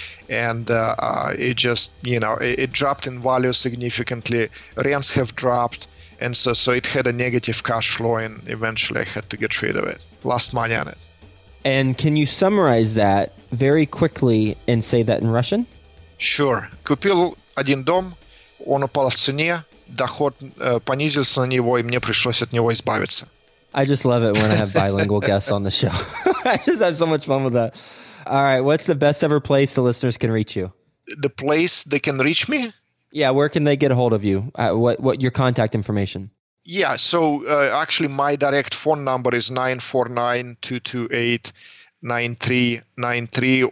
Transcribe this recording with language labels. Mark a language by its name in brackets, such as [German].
[English] And it dropped in value significantly. Rents have dropped. And so it had a negative cash flow, and eventually I had to get rid of it. Lost money on it. And can you summarize that very quickly and say that in Russian? Sure. [Russian] Купил один дом, он упал в цене, доход понизился на него, и мне пришлось от него избавиться. [English] I just love it when I have bilingual guests on the show. I just have so much fun with that. All right. What's the best ever place the listeners can reach you? The place they can reach me? Yeah. Where can they get a hold of you? What your contact information? Yeah. So actually my direct phone number is 949-228-9393.